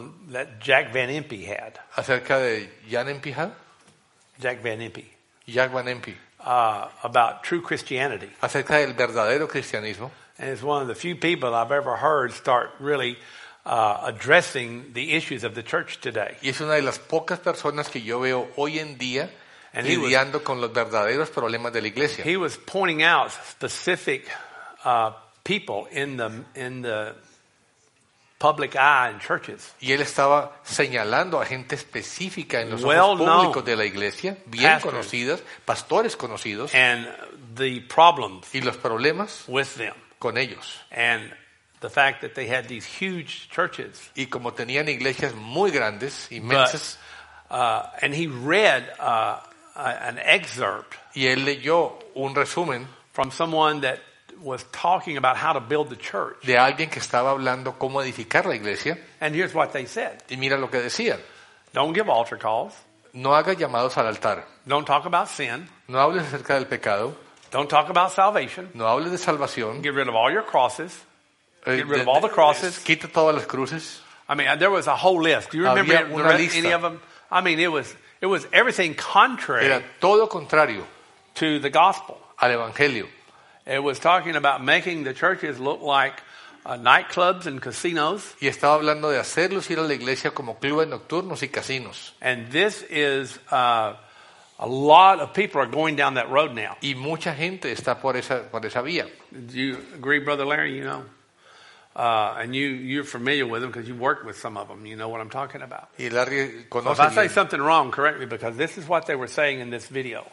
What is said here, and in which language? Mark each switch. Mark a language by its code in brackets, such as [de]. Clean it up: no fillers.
[en] That Jack Van Impe had. [es] Acerca de Jan Impe had. [en] Jack Van Impe. [es] Jack Van Impe. [en] About true Christianity. [es] Acerca del verdadero cristianismo. [en] And it's one of the few people I've ever heard start really addressing the issues of the church today. [es] Y es una de las pocas personas que yo veo hoy en día lidiando con los verdaderos problemas de la iglesia. [en] He was pointing out specific people in the public eye in churches. [es] Y él estaba señalando a gente específica en los ojos públicos de la iglesia, bien conocidas, pastores conocidos, [en] and the problems [es] y los problemas [en] with them [es] con ellos. [en] And the fact that they had these huge churches. [es] Y como tenían iglesias muy grandes, inmensas. [en] And he read an excerpt. [es] Y él leyó un resumen [en] from someone that was talking about how to build the church. [es] De alguien que estaba hablando cómo edificar la iglesia. [en] And here's what they said. [es] Y mira lo que decían. [en] Don't give altar calls. [es] No haga llamados al altar. [en] Don't talk about sin. [es] No hables acerca del pecado. [en] Don't talk about salvation. [es] No hables de salvación. [en] Get rid of all your crosses. Get rid of all the crosses. [es] Quita todas las cruces. [en] I mean, there was a whole list. Do you remember any of them? I mean, it was everything contrary. [es] Era todo contrario. [en] To the gospel. [es] Al evangelio. [en] It was talking about making the churches look like nightclubs and casinos. [es] Y estaba hablando de hacer lucir a la iglesia como clubes nocturnos y casinos. [en] And this is a lot of people are going down that road now. [es] Y mucha gente está por esa vía. [en] Do you agree, Brother Larry? You know, and you're familiar with them because you worked with some of them. You know what I'm talking about. [es] Y Larry conoce. [en] So if I say something wrong, correct me, because this is what they were saying in this video.